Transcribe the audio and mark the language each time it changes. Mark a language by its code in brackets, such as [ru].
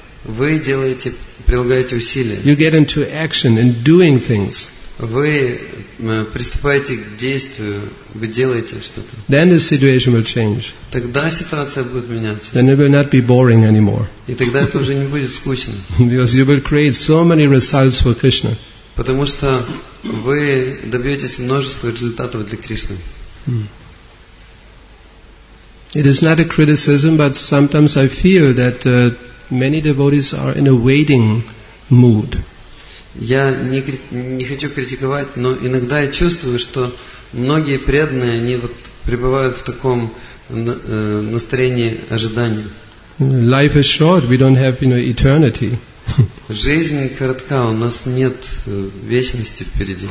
[ru] вы делаете, прилагаете усилия, [en] you get into action in doing things, [ru] вы приступаете к действию, вы делаете что-то, [en] then the situation will change. [ru] Тогда ситуация будет меняться. [en] Then it will not be boring anymore. [ru] И тогда это уже не будет скучно. [en] Because you will create so many results for Krishna. [ru] Потому что вы добьетесь множества результатов для Кришны. [en] It is not a criticism, but sometimes I feel that many devotees are in a waiting mood. [ru] Я не хочу критиковать, но иногда я чувствую, что многие преданные, они вот пребывают в таком настроении ожидания. [en] Life is short, we don't have eternity. [ru] Жизнь коротка, у нас нет вечности впереди.